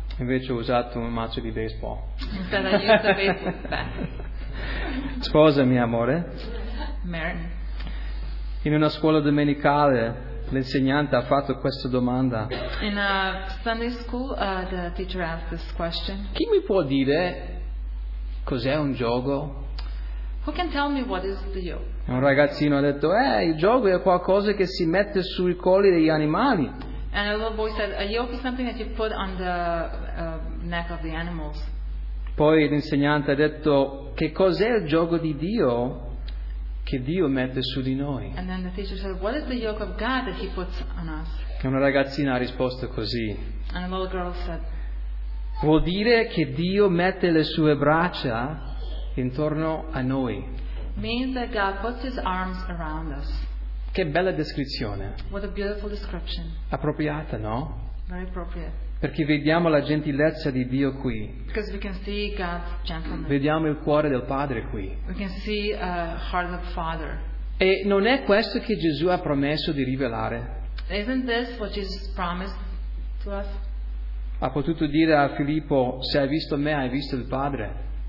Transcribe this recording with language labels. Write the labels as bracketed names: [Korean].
[Italian] Invece ho usato un mazzo di baseball. [English] Instead I used a baseball bat. [Italian] Sposami, amore. [English] Marry me. [Italian] In una scuola domenicale l'insegnante ha fatto questa domanda. [English] In a Sunday school the teacher asked this question. [Italian] Chi mi può dire cos'è un gioco? [English] Who can tell me what is the yoke? [Italian] Un ragazzino ha detto il gioco è qualcosa che si mette sui colli degli animali. [English] And a little boy said a yoke is something that you put on the neck of the animals. [Italian] Poi l'insegnante ha detto che cos'è il gioco di Dio che Dio mette su di noi. [English] And then the teacher said what is the yoke of God that he puts on us. [Italian] E una ragazzina ha risposto così. [English] And a little girl said [Italian] vuol dire che Dio mette le sue braccia intorno a noi. [English] Means that God puts his arms around us. [Italian] Che bella descrizione. [English] What a beautiful description. [Italian] Appropriata, no? [English] Very appropriate. [Italian] Perché vediamo la gentilezza di Dio qui. [English] Because we can see God's gentleness. [Italian] Vediamo il cuore del Padre qui. [English] We can see a heart of the Father. [Italian] E non è questo che Gesù ha promesso di rivelare? [English] Isn't this what Jesus promised to us? [Italian] Ha potuto dire a Filippo se hai visto me hai visto il Padre.